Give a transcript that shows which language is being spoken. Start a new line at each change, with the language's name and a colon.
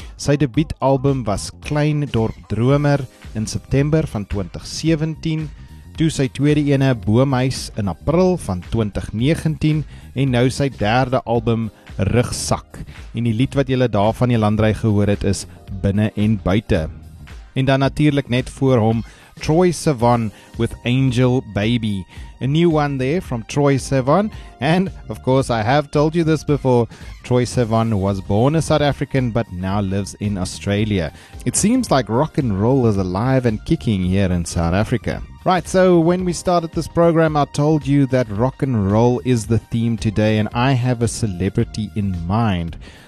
Afrikaans: Sy debuutalbum was Klein Dorp Dromer in September van 2017, toe sy tweede ene Boomhuis in April van 2019 en nou sy derde album Rugsak. En die lied wat jy daar van Elandre gehoor het is Binne en Buite. En dan natuurlik net voor hom Troy Sivan with Angel Baby.
English: A new one there from Troy Sivan. And of course I have told you this before, Troy Sivan was born a South African but now lives in Australia. It seems like rock and roll is alive and kicking here in South Africa. Right, so when we started this program, I told you that rock and roll is the theme today, and I have a celebrity in mind.